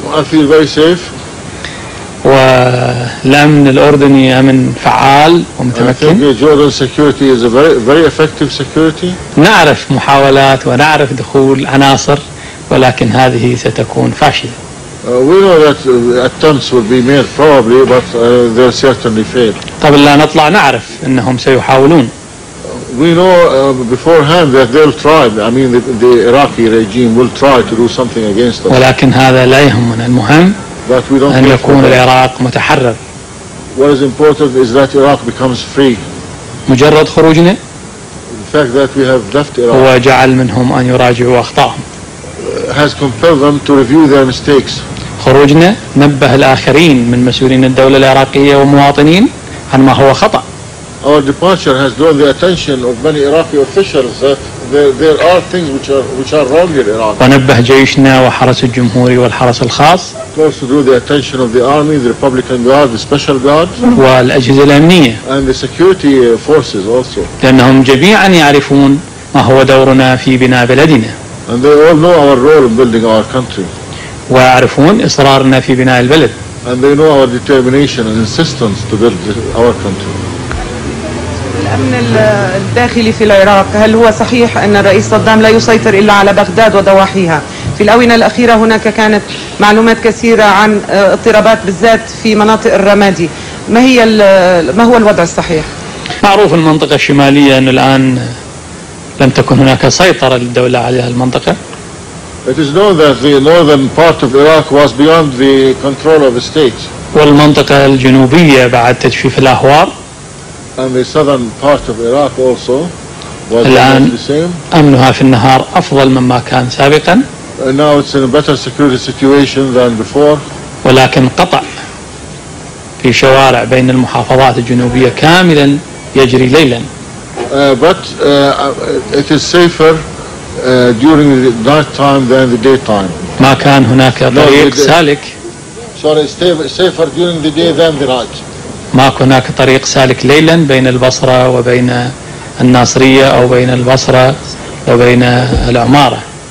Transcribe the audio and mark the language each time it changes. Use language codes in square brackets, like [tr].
[ar] في [en] very safe، [ar] والأمن الأردني أمن فعال ومتمكن. [en] Jordan security is a very very effective security. [ar] نعرف محاولات ونعرف دخول عناصر، ولكن هذه ستكون فاشلة. [en] We know that attempts will be made probably, but they'll certainly fail. [ar] قبل لا نطلع نعرف أنهم سيحاولون. [en] We know beforehand that they'll try. I mean, the Iraqi regime will try to do something against us. [ar] ولكن هذا لا يهمنا، المهم أن يكون العراق متحرر. [en] What is important is that Iraq becomes free. [ar] مجرد خروجنا. [en] The fact that we have left Iraq. [ar] هو جعل منهم أن يراجعوا أخطائهم. [en] Has compelled them to review their mistakes. [ar] خروجنا نبه الآخرين من مسؤولين الدولة العراقية ومواطنين عن ما هو خطأ. [en] Our departure has drawn the attention of many Iraqi officials that there are things which are wrong in Iraq. [ar] ونبه جيشنا وحرس الجمهوري والحرس الخاص. [en] Also drew the attention of the army, the Republican Guard, the Special Guard. [ar] والأجهزة الأمنية. [en] And the security forces also. [ar] لأنهم جميعا يعرفون ما هو دورنا في بناء بلدنا. [en] And they all know our role in building our country. [ar] ويعرفون إصرارنا في بناء البلد. [en] And they know our determination and insistence to build our country. [ar] الأمن الداخلي في العراق، هل هو صحيح أن الرئيس صدام لا يسيطر إلا على بغداد وضواحيها؟ في الأونة الأخيرة هناك كانت معلومات كثيرة عن اضطرابات بالذات في مناطق الرمادي، ما هو الوضع الصحيح؟ معروف المنطقة الشمالية أن الآن لم تكن هناك سيطرة للدولة على المنطقة. [en] It is known that the northern part of Iraq was beyond the control of the state. [ar] والمنطقة الجنوبية بعد تجفيف الأهوار. [en] And the southern part of Iraq also was the same. [ar] أمنها في النهار أفضل مما كان سابقا. [en] And now it's in a better security situation than before. [ar] ولكن قطع في شوارع بين المحافظات الجنوبية كاملا يجري ليلا. [en] But it is safer during the night time than the daytime. [ar] ما كان هناك طريق سالك. [en] Sorry, safer during the day than the night. [ar] ما هناك طريق سالك ليلا بين البصرة وبين الناصرية أو بين البصرة وبين العمارة.